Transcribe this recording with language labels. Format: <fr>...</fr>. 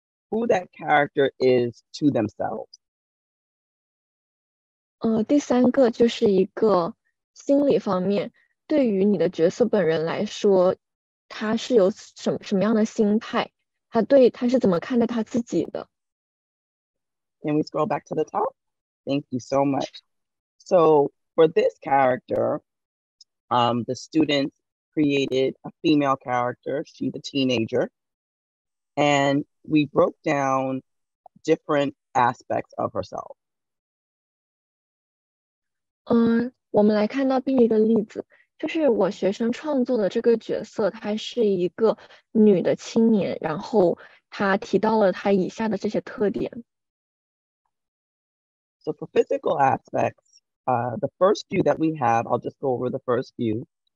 <en>Who that character is to themselves.</en> <zh>第三个就是一个 心理方面，对于你的角色本人来说，他是有什么样的心态？他是怎么看待他自己的？</zh> <en>Can we scroll back to the top? Thank you so much. So for this character, the students created a female character. She's a teenager, and we broke down different aspects of herself.</en> <zh>我们来看到另一个例子，就是我学生创作的这个角色，她是一个女的青年，然后她提到了她以下的这些特点。</zh> <en>So for physical aspects, the first few that we have, I'll just go over the first few.</en>